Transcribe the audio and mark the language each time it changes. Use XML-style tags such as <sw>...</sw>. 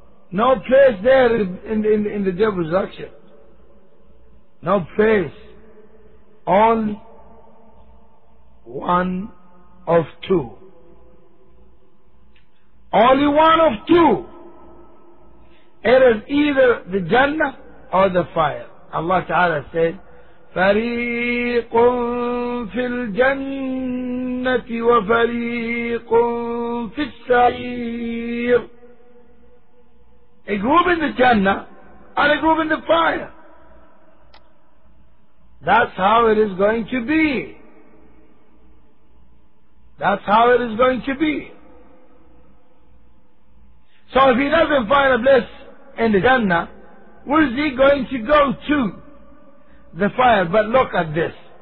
<en>No place there in the devil's action. No place. Only one of two. Only one of two. It is either the Jannah or the fire. Allah Ta'ala said,</en> <ar>فريق في الجنة وفريق في السعير.</ar> <en>A group in the Jannah and a group in the fire. That's how it is going to be. That's how it is going to be. So if he doesn't find a bliss in the Jannah, where is he going to go to? The fire. But look at this.</en>